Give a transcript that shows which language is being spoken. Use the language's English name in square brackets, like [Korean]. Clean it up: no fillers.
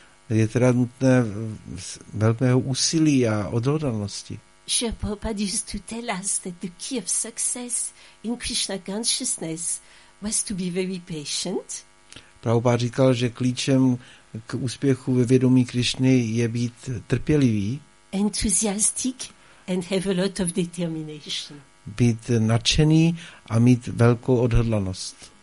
[Czech] Je teda nutné velkého úsilí a odhodlanosti. [English] Srila Prabhupada used to tell us that the key of success in Krishna consciousness was to be very patient. [Czech] Prabhupada říkal, že klíčem k úspěchu ve vědomí Krišny je být trpělivý. [English] Enthusiastic and have a lot of determination. [Czech] Být nadšený a mít velkou odhodlanost.